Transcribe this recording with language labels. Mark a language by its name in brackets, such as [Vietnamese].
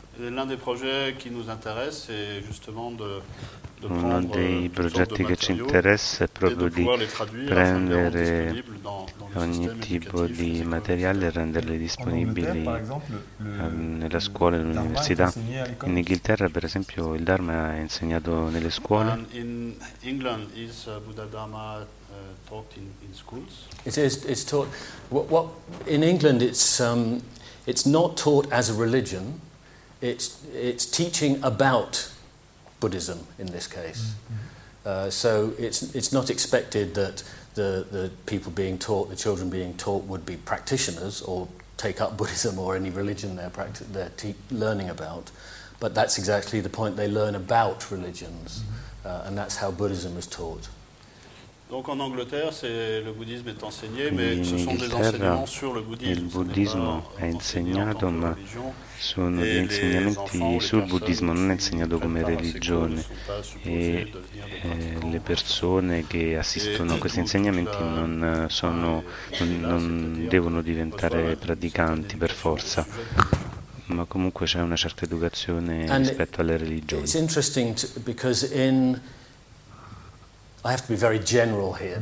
[French] L'un des projets qui nous intéresse est justement de [Italian] prendre uno dei progetti che ci interessa è proprio di prendere ogni tipo di materiale e renderli disponibili nella scuola e nell'università. In Inghilterra, per esempio, il Dharma è insegnato nelle scuole. [English] In England is Buddha Dharma taught in schools? It is. It's taught. What in England? It's not taught as a religion. It's teaching about Buddhism in this case. Mm-hmm. So it's not expected that the people being taught, the children being taught, would be practitioners or take up Buddhism or any religion they're learning about. But that's exactly the point. They learn about religions. Mm-hmm. And that's how Buddhism is taught. [French] Donc en Angleterre, le bouddhisme est enseigné, mais ce sont des enseignements sur le bouddhisme. [Italian] Il buddismo è insegnato, ma sono gli insegnamenti sul buddismo, non è insegnato come religione. E le persone che assistono a questi insegnamenti non devono diventare praticanti per forza. Ma comunque c'è una certa educazione rispetto alle religioni. [English] It's interesting because I have to be very general here. Mm-hmm.